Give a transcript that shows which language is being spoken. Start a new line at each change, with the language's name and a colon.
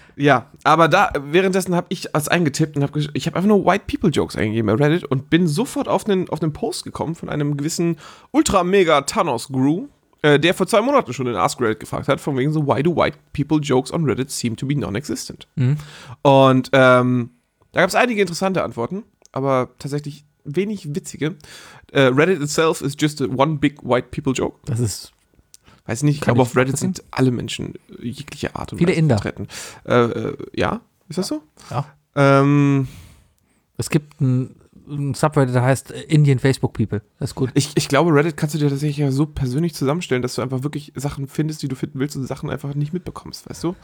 German: Ja, aber da währenddessen habe ich was eingetippt und habe einfach nur White People Jokes eingegeben bei Reddit und bin sofort auf einen Post gekommen von einem gewissen Ultra-Mega-Thanos-Guru, der vor 2 Monaten schon in Ask Reddit gefragt hat, von wegen so,
English: why do white people jokes on Reddit seem to be non-existent?
German: Mhm. Und da gab es einige interessante Antworten, aber tatsächlich wenig witzige.
English: Reddit itself is just a one big white people joke.
German: Das ist. Weiß nicht, ich glaube, auf Reddit sind alle Menschen jeglicher Art und Weise vertreten. Ja, ist das so? Ja. Es gibt ein Subreddit, der heißt Indian Facebook People. Das ist gut. Ich glaube, Reddit kannst du dir tatsächlich ja so persönlich zusammenstellen, dass du einfach wirklich Sachen findest, die du finden willst und Sachen einfach nicht mitbekommst, weißt du?